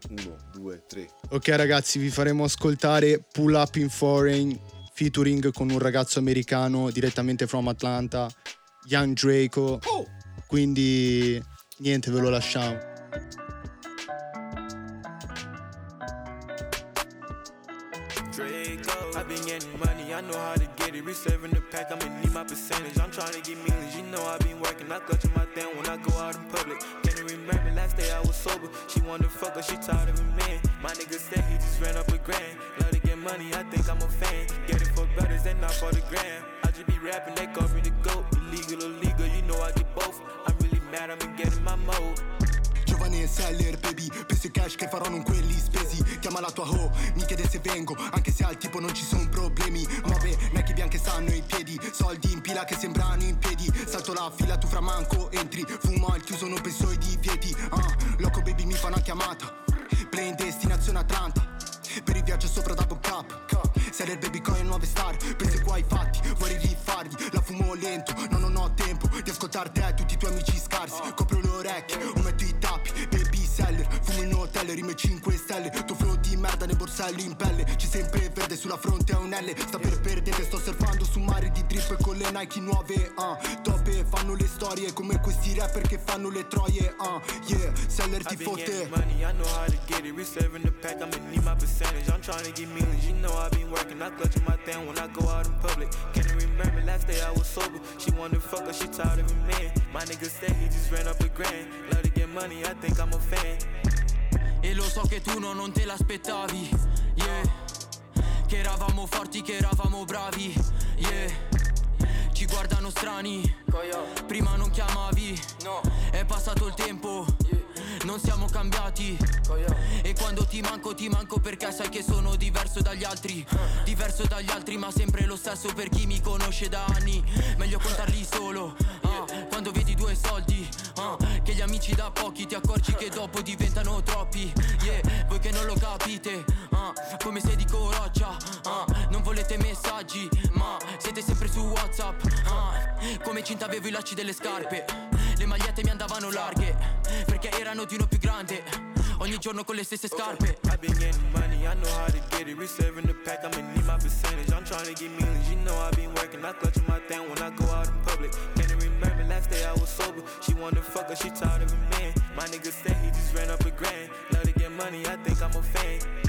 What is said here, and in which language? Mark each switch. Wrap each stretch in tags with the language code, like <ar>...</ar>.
<it>1, 2, 3. Ok ragazzi, vi faremo ascoltare Pull Up in Foreign featuring con un ragazzo americano direttamente from Atlanta, Young Draco. Quindi niente, ve lo lasciamo.</it> <en>Draco, I've been getting money, I know how to get it. Reserving the pack, I'ma need my percentage. I'm trying to get millions, you know I've been working. I clutch on my thing when I go out in public. Can't remember last day I was sober. She wanna fuck her, she tired of a man. My nigga said he just ran up a grand. Love to get money, I think I'm a fan. Get it for brothers and not for the gram. I just be rapping, they call me the GOAT. Legal or legal, you know I get both. I'm really mad, I'm gonna get in my mode.</en> <it>Giovane e seller, baby, penso i cash che farò non quelli spesi. Chiama la tua ho, mi chiede se vengo, anche se al tipo non ci sono problemi. Muove, Nike bianche stanno in piedi, soldi in pila che sembrano in piedi. Salto la fila, tu fra manco entri, fumo al chiuso, non penso ai divieti. Loco baby, mi fa una chiamata, play in destinazione Atlanta. Per il viaggio sopra da Bon Cap, seller baby, coin nuove star. Pensi qua ai fatti, vuoi rifarli. La fumo lento, no, non ho tempo di ascoltar te e tutti i tuoi amici scarsi. Copro le orecchie, o metto i tappi. Baby seller, fumo in hotel, rime 5 stelle. Tuo flow di merda nel borsello in pelle. C'è sempre verde sulla fronte a un L. Sta per perdere, sto surfando su mare di drip con le Nike nuove. Top e fanno le storie come questi rapper che fanno le troie. Yeah, seller ti fotte.</it> <en>I'm trying to get millions, you know I've been working. I clutch my thing when I go out in public. Can't remember last day I was sober. She wanna fuck her, she tired of a man. My nigga said he just ran up a grand. Love to get money, I think I'm a fan.</en> <it>E lo so che tu non te l'aspettavi. Yeah. Che eravamo forti, che eravamo bravi. Yeah. Ci guardano strani. Prima non chiamavi. No. È passato il tempo. Non siamo cambiati. E quando ti manco perché sai che sono diverso dagli altri. Diverso dagli altri ma sempre lo stesso per chi mi conosce da anni. Meglio contarli solo, quando vedi due soldi, che gli amici da pochi ti accorgi che dopo diventano troppi. Yeah, voi che non lo capite, come sei di coroccia, non volete messaggi, ma siete sempre su WhatsApp. Come cinta avevo i lacci delle scarpe. Le magliette mi andavano larghe, perché erano di uno più grande. Ogni giorno con le stesse scarpe.</it> <en>I've been getting money, I know how to get it. Reserving the pack, I'ma need my percentage. I'm trying to get millions, you know I've been working. I clutch my thing when I go out in public. Can't remember last day I was sober. She wanna fuck her, she tired of a man. My nigga said he just ran up a grand. Love to get money, I think I'm a fan.</en>